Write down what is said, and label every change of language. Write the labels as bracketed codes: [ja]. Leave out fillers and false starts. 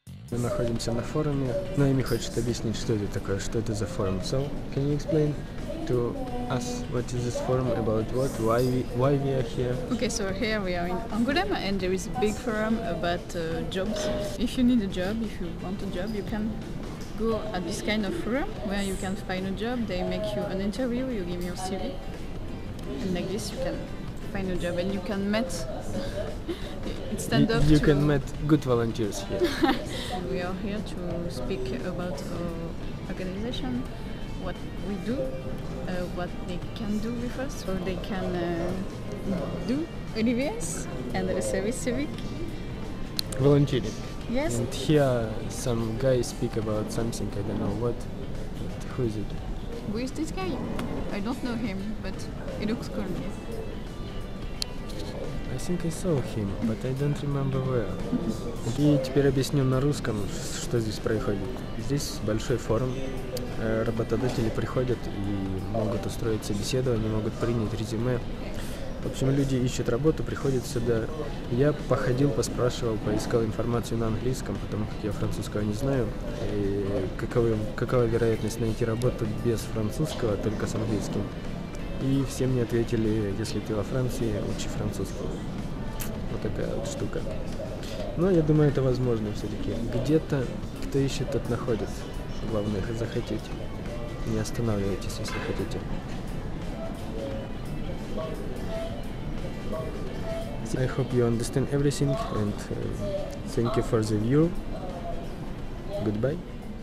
[ru] Мы находимся на форуме. Наоми хочет объяснить, что это такое, что это за форум. [en] So, can you explain to us what is this forum about? What, why we are here? Okay, so here we are in Angoulême, and there is a big forum about jobs. If you need a job, if you want a job, you can go at this kind of forum where you can find a job. They make you an interview, you give your CV, and like this you can find a job and you can meet. You can meet good volunteers here. We are here to speak about our organization, what we do, what they can do with us, so they can do ODVS and the service civic. Volunteering. Yes. And here some guys speak about something, I don't know what, who is it? Who is this guy? I don't know him, but he looks cool. Yes. I think I saw him, but I don't remember where. [ru] И теперь объясню на русском, что здесь происходит. Здесь большой форум. Работодатели приходят и могут устроить собеседование, могут принять резюме. В общем, люди ищут работу, приходят сюда. Я походил, поспрашивал, поискал информацию на английском, потому как я французского не знаю. И какова вероятность найти работу без французского, только с английским? И все мне ответили, если ты во Франции, учи французский. Вот такая вот штука. Но я думаю, это возможно все-таки. Где-то, кто ищет, тот находит. Главное, если захотите. Не останавливайтесь, если хотите. [en] I hope you understand everything and thank you for the view. Goodbye.